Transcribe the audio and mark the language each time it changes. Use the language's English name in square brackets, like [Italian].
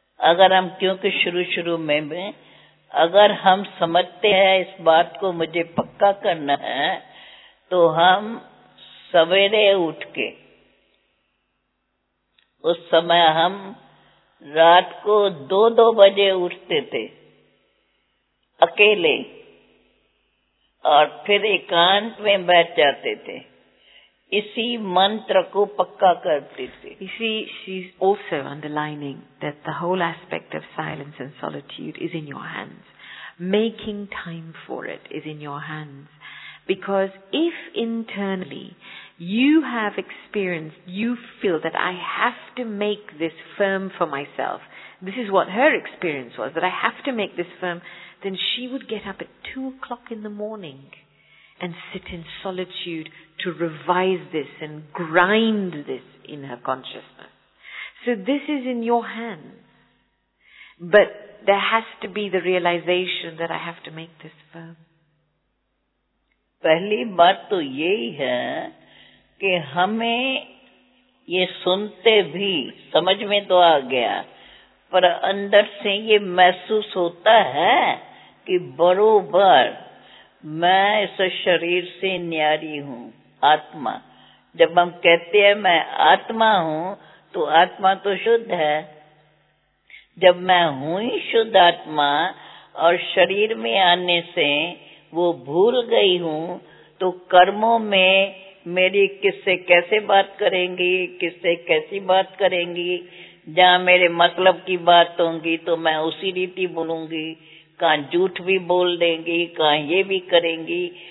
[Hindi] अगर हम, क्योंकि शुरू शुरू में अगर हम समझते हैं इस बात को मुझे पक्का करना है, तो हम सवेरे उठ के उस समय हम रात को दो दो बजे उठते थे अकेले और फिर एकांत में बैठ जाते थे, इसी मंत्र को पक्का करते थे. [English] You see, she's also underlining that the whole aspect of silence and solitude is in your hands. Making time for it is in your hands. Because if internally you have experienced, you feel that I have to make this firm for myself, this is what her experience was, that I have to make this firm, then she would get up at 2 o'clock in the morning and sit in solitude to revise this and grind this in her consciousness. So this is in your hands. But there has to be the realization that I have to make this firm. [Hindi] Pehli baat to yehi hai ki hume ye sunte bhi samajh mein to aa gaya, par andar se ye mehsoos hota hai ki barobar मैं इस शरीर से न्यारी हूँ, आत्मा. जब हम कहते हैं मैं आत्मा हूँ, तो आत्मा तो शुद्ध है. जब मैं हूँ ही शुद्ध आत्मा और शरीर में आने से वो भूल गई हूँ, तो कर्मों में मेरी किससे कैसे बात करेंगी, किससे कैसी बात करेंगी, जहाँ मेरे मतलब की बात होंगी तो मैं उसी रीति बोलूंगी, कहाँ झूठ भी बोल देंगी, कहाँ ये भी करेंगी.